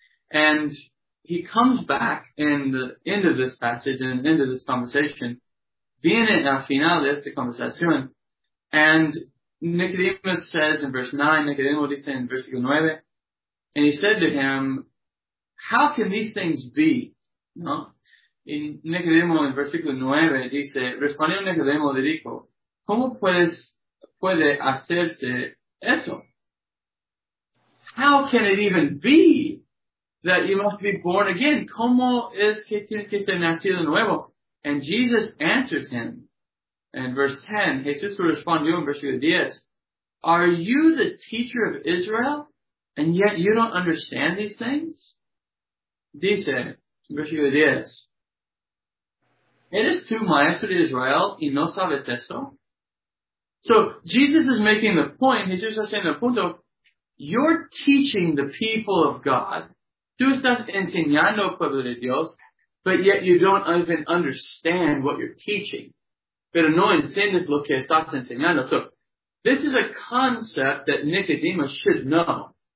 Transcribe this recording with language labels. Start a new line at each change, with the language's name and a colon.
English: And he comes back in the end of this passage, and end of this conversation,
Spanish: viene al final de esta conversación,
English: and Nicodemus says in verse 9,
Spanish: Nicodemo dice in versículo 9,
English: and he said to him, how can these things be?
Spanish: No? In Nicodemo in versículo 9 dice, respondió Nicodemo le dijo, ¿cómo puede hacerse eso?
English: How can it even be that you must be born again?
Spanish: ¿Cómo es que tiene que ser nacido nuevo?
English: And Jesus answers him in verse 10.
Spanish: Jesús respondió en versículo 10.
English: Are you the teacher of Israel and yet you don't understand these things?
Spanish: Dice, versículo 10. ¿Eres tú maestro de Israel y no sabes eso?
English: So, Jesus is making the point,
Spanish: Jesús está haciendo el punto,
English: you're teaching the people of God,
Spanish: tú estás enseñando al pueblo de Dios,
English: but yet you don't even understand what you're teaching.
Spanish: Pero no entiendes lo que estás enseñando.
English: So, this is a concept that Nicodemus should know.